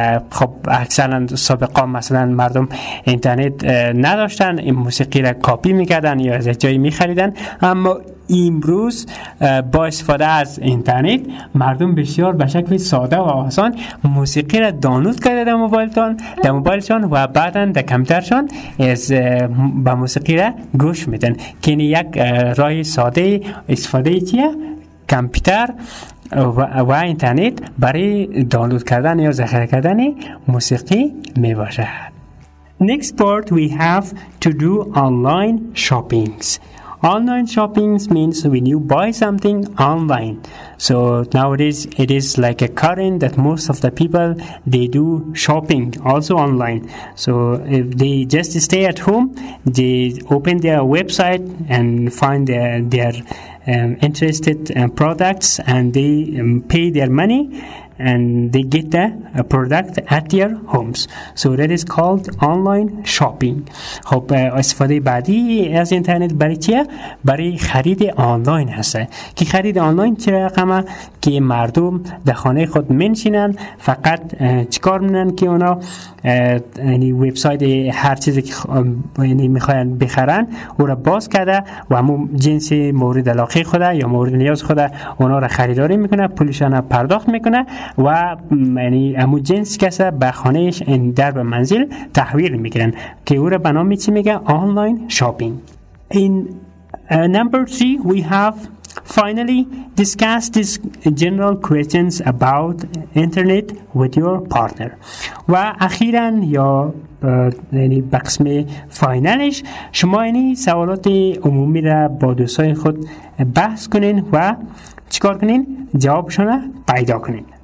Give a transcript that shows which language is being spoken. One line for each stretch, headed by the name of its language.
Persian: خب اکثرا سابقا مثلا مردم اینترنت نداشتن، این موسیقی را کپی میکردن یا از جایی میخریدن، اما امروز با استفاده از اینترنت مردم بسیار به شکل ساده و آسان موسیقی را دانلود کرده در موبایلشان و بعدا در کمپیوترشان از با موسیقی را گوش میدن، که یک راه ساده استفاده چیه؟ کمپیوتر و اینترنت برای دانلود کردن یا ذخیره کردن موسیقی می باشد.
English: Next part we have to do online shoppings. Online shopping means when you buy something online. So nowadays it is like a current that most of the people, they do shopping also online. So if they just stay at home, they open their website and find their interested products, and they pay their money and they get the product at their homes. So that is called online shopping.
Persian: خب استفاده بعدی از اینترنت برای چیه؟ برای خرید آنلاین هست. که خرید آنلاین چه رقمه؟ که مردم در خانه خود منشینن، فقط چیکار می‌کنن که اونا یعنی وبسایت هر چیزی که یعنی می‌خوان بخرن، اون را باز کرده و همون جنس مورد علاقه خود یا مورد نیاز خود اونا را خریداری می‌کنه، پولشان را پرداخت می‌کنه و یعنی همو جنس کسا به خانهش این در به منزل تحویل میگیرن که او را بنامی چی میگه؟ آنلاین شاپینگ.
English: In number 3 we have finally discuss this general questions about internet with your partner.
Persian: و اخیراً یا یعنی بقسم فاینالش شما یعنی سوالات عمومی را با دوستای خود بحث کنین و چیکار کنین؟ جوابشان را پیدا کنین.